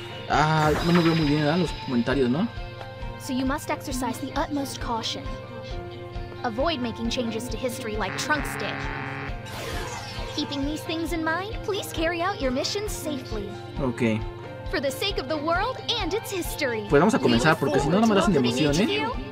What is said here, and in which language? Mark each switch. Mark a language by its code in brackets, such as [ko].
[es] Ah, no me veo muy bien, ¿verdad? Los comentarios, ¿no? [en] So you must exercise the utmost caution. Avoid making changes to history like Trunks did. Keeping these things in mind, please carry out your mission safely. Okay. For the sake of the world and its history. [es] Pues vamos a comenzar porque si no no me hacen de emoción, ¿eh?